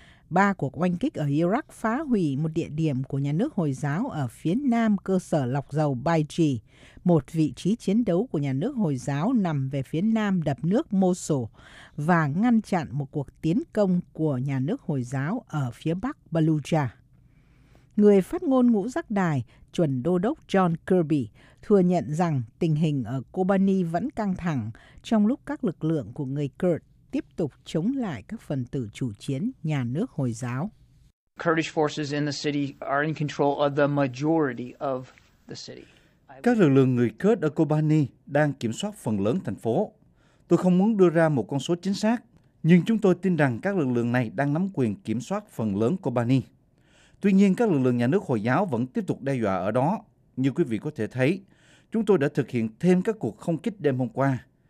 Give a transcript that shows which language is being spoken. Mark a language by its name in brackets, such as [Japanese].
[Vietnamese] 3 cuộc oanh kích ở Iraq phá hủy một địa điểm của nhà nước Hồi giáo ở phía nam cơ sở lọc dầu Baiji, một vị trí chiến đấu của nhà nước Hồi giáo nằm về phía nam đập nước Mosul và ngăn chặn một cuộc tiến công của nhà nước Hồi giáo ở phía bắc Baluja. Người phát ngôn ngũ giác đài, chuẩn đô đốc John Kirby, thừa nhận rằng tình hình ở Kobani vẫn căng thẳng trong lúc các lực lượng của người Kurd tiếp tục chống lại các phần tử chủ chiến nhà nước Hồi giáo. [English] Kurdish forces in the city are in control of the majority of the city. [Vietnamese] Các lực lượng người Kurd ở Kobani đang kiểm soát phần lớn thành phố. Tôi không muốn đưa ra một con số chính xác, nhưng chúng tôi tin rằng các lực lượng này đang nắm quyền kiểm soát phần lớn Kobani. Tuy nhiên, các lực lượng nhà nước Hồi giáo vẫn tiếp tục đe dọa ở đó. Như quý vị có thể thấy, chúng tôi đã thực hiện thêm các cuộc không kích đêm hôm qua.